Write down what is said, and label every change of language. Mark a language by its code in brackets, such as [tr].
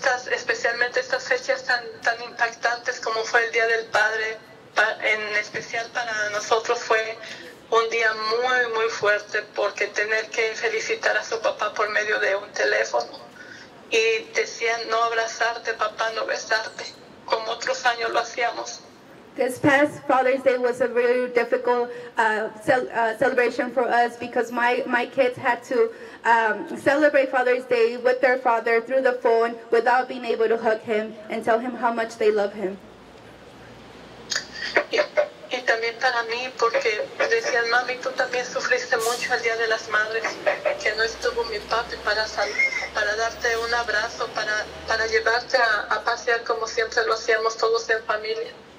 [es] Especialmente estas fechas tan impactantes como fue el Día del Padre, en especial para nosotros fue un día muy, muy fuerte, porque tener que felicitar a su papá por medio de un teléfono y decían no abrazarte, papá, no besarte, como otros años lo hacíamos. [en] This past Father's Day was a really difficult celebration for us, because my kids had to celebrate Father's Day with their father through the phone without being able to hug him and tell him how much they love him. [es] Y también para mí, porque decían, mami, tú también sufriste mucho el Día de las Madres, que no estuvo mi papi para darte un abrazo, para llevarte a pasear como siempre lo hacíamos todos en familia.